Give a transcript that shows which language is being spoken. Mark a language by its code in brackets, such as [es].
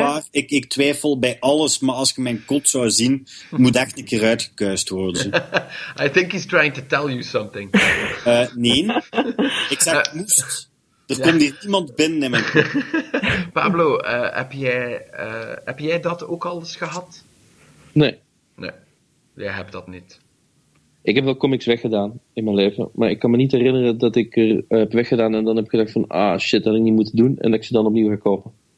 [nl] ik twijfel bij alles, maar als je mijn kot zou zien, moet echt een keer uitgekuist worden. [en] I think he's trying to tell you something. [nl] Nee. Ik zeg, moest. Er komt hier niemand binnen in mijn kot. Pablo, heb jij dat ook al eens gehad? Nee. Nee, jij hebt dat niet. Ik heb wel comics weggedaan in mijn leven, maar ik kan me niet herinneren dat ik er heb weggedaan en dan heb ik gedacht van, shit, dat had ik niet moeten doen, en dat ik ze dan opnieuw ga kopen.